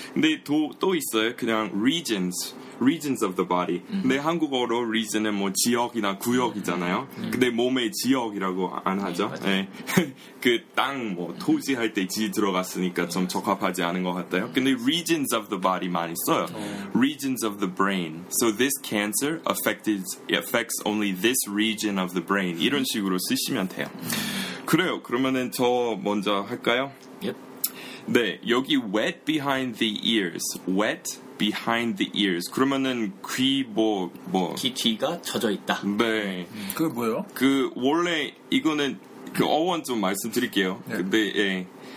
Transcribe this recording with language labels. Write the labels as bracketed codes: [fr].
[ko] 근데 또 있어요. 그냥 [en] regions. Regions of the body. [ko] 근데 한국어로 region은 뭐 지역이나 구역이잖아요. 근데 몸의 지역이라고 안 하죠? 예, 네. 그 땅, 뭐 토지 할 때 지 들어갔으니까 좀 적합하지 않은 것 같아요. 근데 [en] regions of the body [ko] 많이 써요. [en] Regions of the brain. So this cancer affects only this region of the brain. [ko] 이런 식으로 쓰시면 돼요. 그래요. 그러면은 저 먼저 할까요? [en] Yep. [ko] 네, 여기 [en] wet behind the ears. Wet. Behind the ears. [ko] 그러면은 귀 뭐 귀가 젖어 있다. 네. 그 뭐예요? 그 원래 이거는 그 어원 좀 말씀드릴게요. 네. 근데 예.